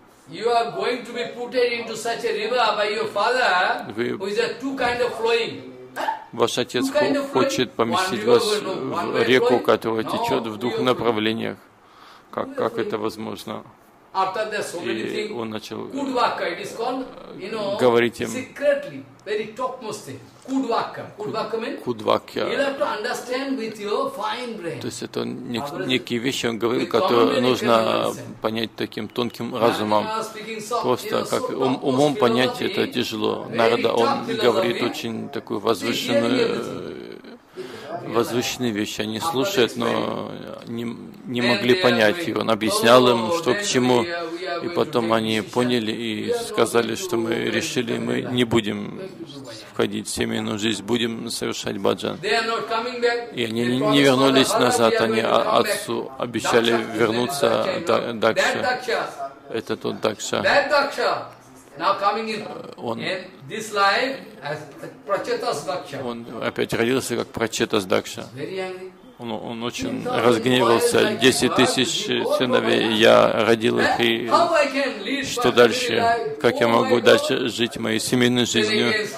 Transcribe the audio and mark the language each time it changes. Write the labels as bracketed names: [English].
[English] You are going to be put into such a river by your father, who is a two kind of flowing. [Russian] Ваш отец хочет поместить вас в реку, которая течет в двух направлениях. Как это возможно? [English] After that, so many things. [Russian] Он начал [English] Kudvaka, it is called, you know, [Russian] говорить им. [English] Secretly, very topmost thing. Kudvaka. Kudvaka means. Kudvaka. You have to understand with your fine brain. [Russian] То есть это некие вещи он говорил, которые нужно понять таким тонким разумом. Просто как умом понять это тяжело. Нарада он говорит очень такую возвышенную. Возвышенные вещи они слушают, но не могли понять его. Он объяснял им, что к чему, и потом они поняли и сказали, что мы решили, мы не будем входить в семейную жизнь, будем совершать баджан. И они не вернулись назад, они отцу обещали вернуться дакша. Это тот дакша. [English] Now coming in this life as Prachetas Daksha. [Russian] Он опять родился как Прачетас Дакша. [English] Very angry. [Russian] Он очень разгневался. 10 000 сыновей я родил их и что дальше? Как я могу дальше жить моей семейной жизнью?